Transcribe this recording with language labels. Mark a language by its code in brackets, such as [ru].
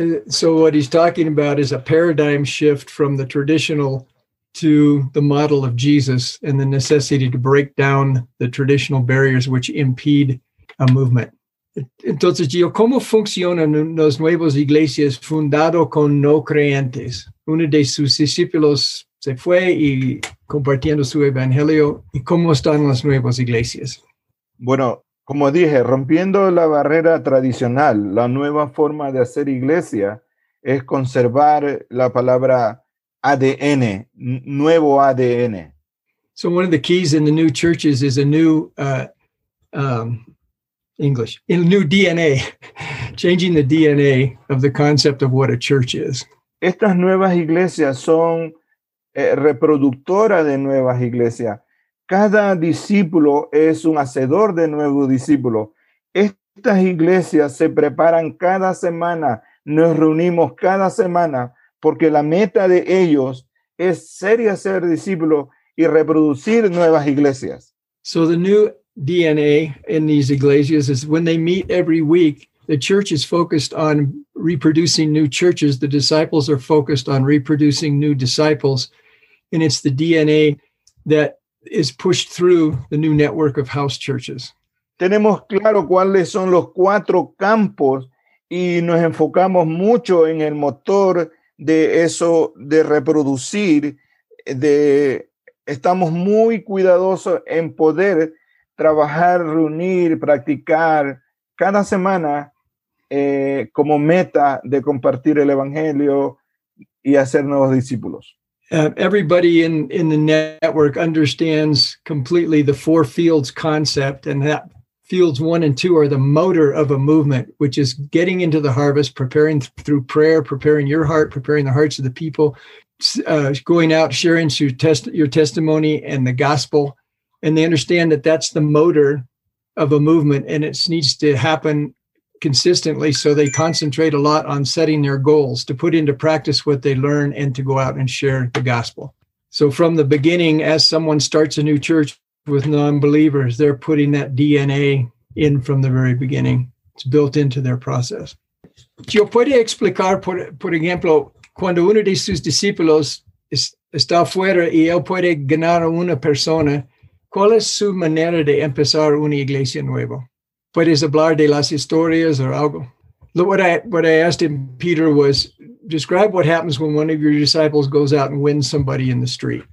[en] So what he's talking about is a paradigm shift from the traditional to the model of Jesus and the necessity to break down the traditional barriers which impede a movement. [es] Entonces, Gio, ¿cómo funcionan las nuevas iglesias fundadas con no creyentes? Uno de sus discípulos se fue y compartiendo su evangelio. ¿Y cómo están las nuevas iglesias? Bueno, como dije, rompiendo la barrera tradicional, la nueva forma de hacer iglesia es conservar la palabra ADN, nuevo ADN. [en] So one of the keys in the new churches is a new English, a new DNA, changing the DNA of the concept of what a church is. [es] Estas nuevas iglesias son reproductoras de nuevas iglesias. Cada discípulo es un hacedor de nuevo discípulo. Estas iglesias se preparan cada semana, nos reunimos cada semana, porque la meta de ellos es ser y hacer discípulos y reproducir nuevas iglesias. [en] So the new DNA in these iglesias is when they meet every week, the church is focused on reproducing new churches. The disciples are focused on reproducing new disciples. And it's the DNA that is pushed through the new network of house churches. [es] Tenemos claro cuáles son los cuatro campos y nos enfocamos mucho en el motor de eso de reproducir. Estamos muy cuidadosos en poder trabajar, reunir, practicar cada semana como meta de compartir el evangelio y hacer nuevos discípulos. [en] Everybody in the network understands completely the four fields concept, and that fields one and two are the motor of a movement, which is getting into the harvest, preparing through prayer, preparing your heart, preparing the hearts of the people, going out, sharing your testimony and the gospel. And they understand that that's the motor of a movement, and it needs to happen consistently. So they concentrate a lot on setting their goals to put into practice what they learn and to go out and share the gospel. So from the beginning, as someone starts a new church with non-believers, they're putting that DNA in from the very beginning. It's built into their process. [es] Yo puedo explicar, por ejemplo, cuando uno de sus discípulos está afuera y él puede ganar a una persona, ¿cuál es su manera de empezar una iglesia nueva? ¿Puedes hablar de las historias o algo? [en] Look, what I asked him, Peter, was describe what happens when one of your disciples goes out and wins somebody in the street.